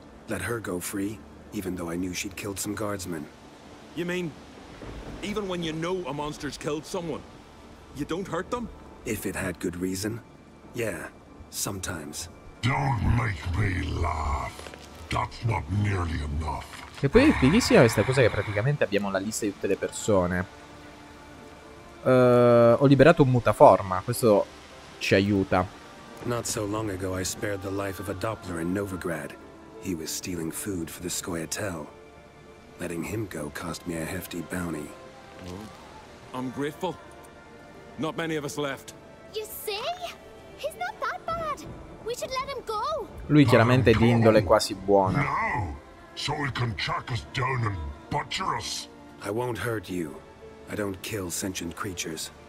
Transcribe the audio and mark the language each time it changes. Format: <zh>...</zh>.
<en>Let her go free, even though I knew she'd killed some guardsmen. You mean, even when you know a monster's killed someone, you don't hurt them? If it had good reason, yeah, sometimes. Don't make me laugh. That's not nearly enough.</en> <it>E poi è fighissima questa cosa che praticamente abbiamo la lista di tutte le persone. Ho liberato un mutaforma, questo ci aiuta.</it> <en>Not so long ago I spared the life of a Doppler in Novigrad. He was stealing food for the Scoia'tael. Letting him go cost me a hefty bounty. Oh. I'm grateful. Not many of us left. You see? He's not that bad. We should let him go.</en> <it>Lui chiaramente è di indole quasi buona.</it> <en>No. So he can track us down and butcher us. I won't hurt you. I don't kill sentient creatures.</en>